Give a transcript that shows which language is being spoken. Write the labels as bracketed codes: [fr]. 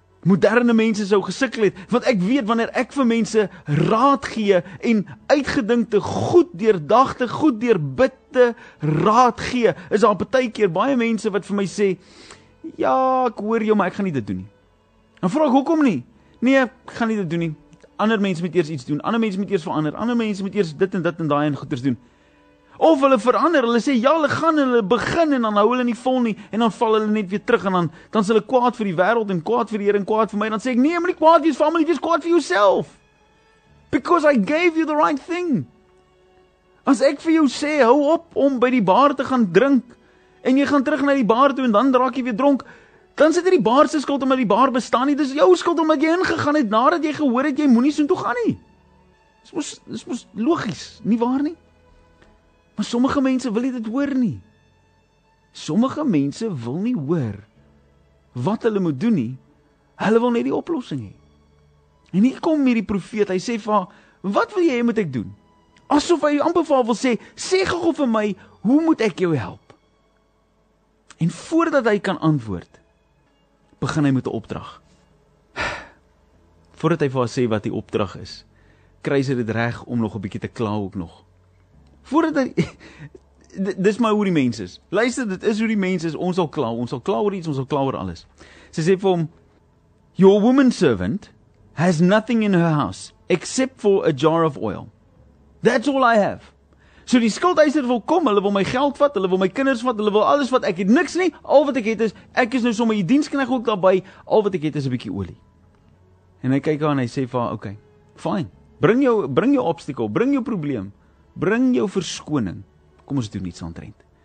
[af] moderne mense sou gesukkel het, want ek weet wanneer ek vir mense raad gee en uitgedinkte, goed deurdagte, goed deurbidde raad gee, is daar partykeer baie mense wat vir my sê, ja, ek hoor jou, maar ek gaan nie dit doen nie. En vraag, hoekom nie? Nee, ek gaan nie dit doen nie. Ander mense moet eers iets doen, ander mense moet eers verander, ander mense moet eers dit en dit en daai en goeders doen. Of hulle verander, hulle sê, ja, hulle gaan, hulle begin, en dan hou hulle nie vol nie, en dan val hulle net weer terug, en dan is hulle kwaad vir die wereld, en kwaad vir die Heer, en kwaad vir my, en dan sê ek, nee, maar nie kwaad vir die familie, wees kwaad vir jouself. [en] Because I gave you the right thing. [af] As ek vir jou sê, hou op om by die bar te gaan drink, en jy gaan terug na die bar toe, en dan raak jy weer dronk, dan sit die bar se skuld omdat die bar bestaan nie, dis jou skuld omdat jy ingegaan het, nadat jy gehoor het, jy moet nie soen toe gaan nie. Dis mos logies, nie waar nie. Maar sommige mense wil nie dit hoor nie. Sommige mense wil nie hoor wat hulle moet doen nie. Hulle wil net die oplossing hê. En hier kom hierdie profeet, hy sê vir haar, wat wil jy moet ek doen? Asof hy amper vir haar wil sê, sê gou vir my, hoe moet ek jou help? En voordat hy kan antwoord, begin hy met 'n opdrag. Voordat hy vir haar sê wat die opdrag is, kry sy dit reg om nog 'n bietjie te kla ook nog. Voordat hy, dis maar hoe die mens is. Luister, dit is hoe die mens is, ons sal kla oor iets, ons sal kla oor alles. Sy sê vir hom, [en] your woman servant has nothing in her house, except for a jar of oil. That's all I have. [af] So die skuldeiser wil kom, hulle wil my geld vat, hulle wil my kinders vat, hulle wil alles vat, ek het niks nie, al wat ek het is, ek is nou sommer die dienskneg ook daarby, al wat ek het is 'n bietjie olie. En hy kyk haar en hy sê vir haar, okay, fine, bring jou obstacle, bring jou probleem, bring jou verskoning, kom ons doen iets aantrent.